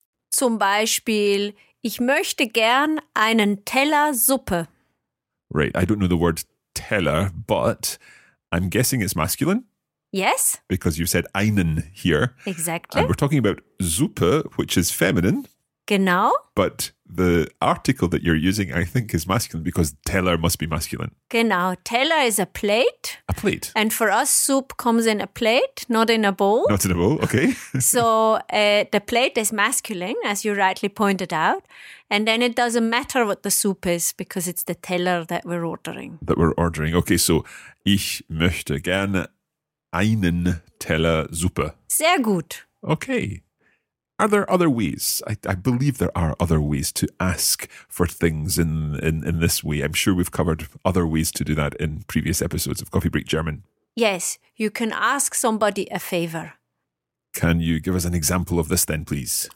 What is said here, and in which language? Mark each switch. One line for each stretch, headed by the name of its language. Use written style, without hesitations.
German: Zum Beispiel, ich möchte gern einen Teller Suppe.
English: Right, I don't know the word Teller, but I'm guessing it's masculine. Yes. Because you said einen here. Exactly. And we're talking about Suppe, which is feminine.
German: Genau.
English: But the article that you're using, I think, is masculine because Teller must be masculine.
German: Genau.
English: Teller is a plate. A plate. And for us, soup comes in a plate, not in a bowl. Not in a bowl, okay. So the plate is masculine, as you rightly pointed out. And then it doesn't matter what the soup is because it's the Teller that we're ordering. That we're ordering. Okay, so
German: ich möchte gerne einen Teller Suppe. Sehr gut.
English: Okay. Are there other ways? I believe there are other ways to ask for things in this way. I'm sure we've covered other ways to do that in previous episodes of Coffee Break German. Yes, you can ask somebody a favor. Can you give us an example of this then, please?